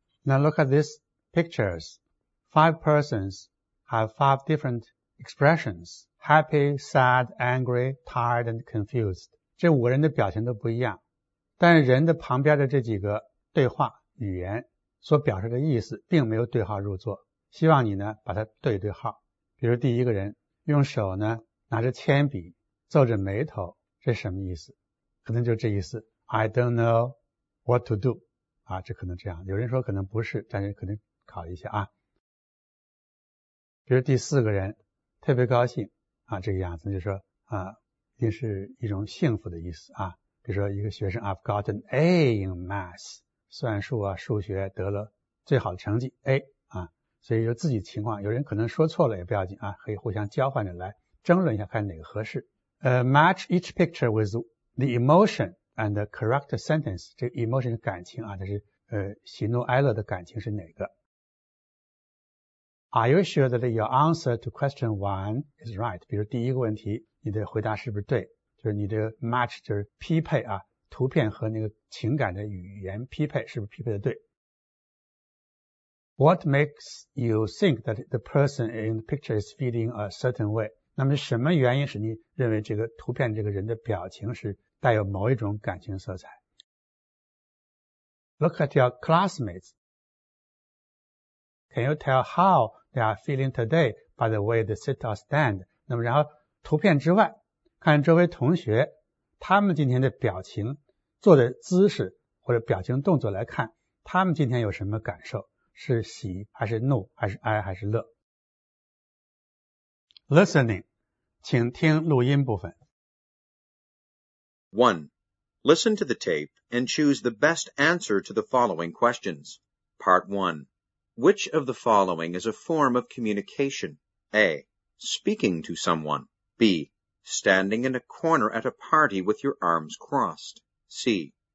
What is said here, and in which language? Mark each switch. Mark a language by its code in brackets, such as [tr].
[en] Now look at these pictures. Five persons have five different expressions. Happy, sad, angry, tired, and confused. [zh] 这五个人的表情都不一样。但人的旁边的这几个对话语言所表示的意思并没有对号入座。希望你呢把它对对号。比如第一个人用手呢拿着铅笔皱着眉头。这什么意思？可能就这意思。 [en] I don't know what to do. [zh] 啊，这可能这样。有人说可能不是，但是可能考一下啊。比如第四个人特别高兴啊，这个样子就说啊，一定是一种幸福的意思啊。比如说一个学生 [en] I've got an A in math, [zh] 算术啊数学得了最好的成绩 A 啊，所以就自己情况，有人可能说错了也不要紧啊，可以互相交换着来争论一下，看哪个合适。 [en] Match each picture with the emotion and the correct sentence. [zh] 这个 emotion 是感情啊，它是喜怒哀乐的感情是哪个。 [en] Are you sure that your answer to question one is right? [zh] 比如第一个问题你的回答是不是对，就是你的 match 就是匹配啊，图片和那个情感的语言匹配是不是匹配的对。 [en] What makes you think that the person in the picture is feeling a certain way? [zh] 那么什么原因使你认为这个图片这个人的表情是带有某一种感情色彩？ [en] Look at your classmates. Can you tell how they are feeling today by the way they sit or stand? [zh] 那么然后图片之外看周围同学他们今天的表情坐的姿势或者表情动作来看，他们今天有什么感受，是喜还是怒还是哀还是乐。 [en] Listening, [zh] 请听录音部分。 1. [en] Listen to the tape and choose the best answer to the following questions. Part 1. Which of the following is a form of communication? A. Speaking to someone. B. Standing in a corner at a party with your arms crossed. C.